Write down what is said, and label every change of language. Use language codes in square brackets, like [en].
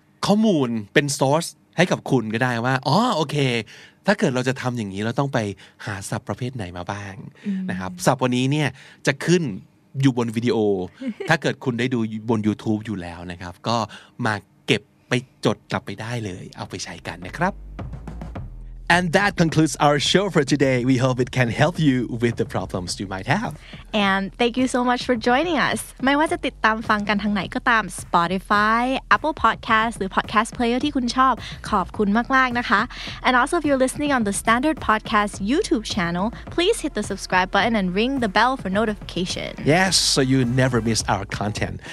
[th] ข้อมูลเป็น sourceให้กับคุณก็ได้ว่าอ๋อโอเคถ้าเกิดเราจะทำอย่างนี้เราต้องไปหาศัพท์ประเภทไหนมาบ้างนะครับศัพท์วันนี้เนี่ยจะขึ้นอยู่บนวิดีโอถ้าเกิดคุณได้ดูบน YouTube อยู่แล้วนะครับก็มาเก็บไปจดกลับไปได้เลยเอาไปใช้กันนะครับ [en] And that concludes our show for today. We hope it can help you with the problems you might have. And thank you so much for joining us. [th] ไม่ว่าจะติดตามฟังกันทางไหนก็ตาม Spotify, Apple Podcasts หรือ Podcast Player ที่คุณชอบขอบคุณมากๆนะคะ [en] And also if you're listening on the Standard Podcast YouTube channel, please hit the subscribe button and ring the bell for notification. Yes, so you never miss our content.